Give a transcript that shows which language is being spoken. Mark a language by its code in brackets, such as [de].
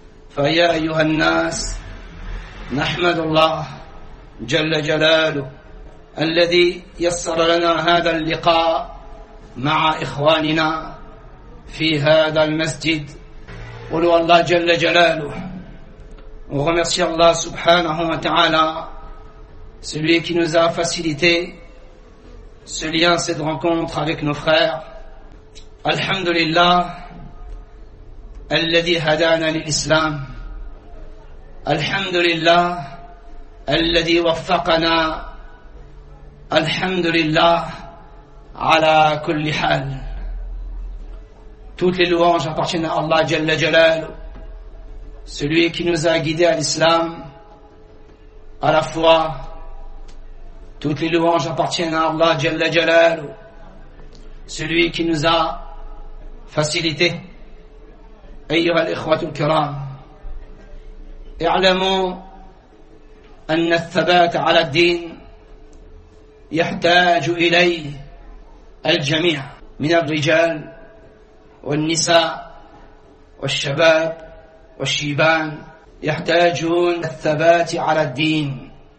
[ar] فيا أيها الناس نحمد الله جل جلاله الذي يسر لنا هذا اللقاء مع إخواننا في هذا المسجد قلوا الله جل جلاله ومرسي الله سبحانه وتعالى [fr] celui qui nous a facilité ce lien, cette rencontre avec nos frères. [ar] الحمد لله الذي هدانا للإسلام الحمد لله الذي وفقنا الحمد لله على كل حال [fr] toutes les louanges appartiennent à Allah Jalla Jalal celui qui nous a guidés à l'Islam à la foi toutes les louanges appartiennent à Allah Jalla Jalal celui qui nous a facilité. [ar] أيها الإخوة الكرام اعلموا أن الثبات على الدين يحتاج إليه الجميع من الرجال والنساء والشباب والشيبان يحتاجون الثبات على الدين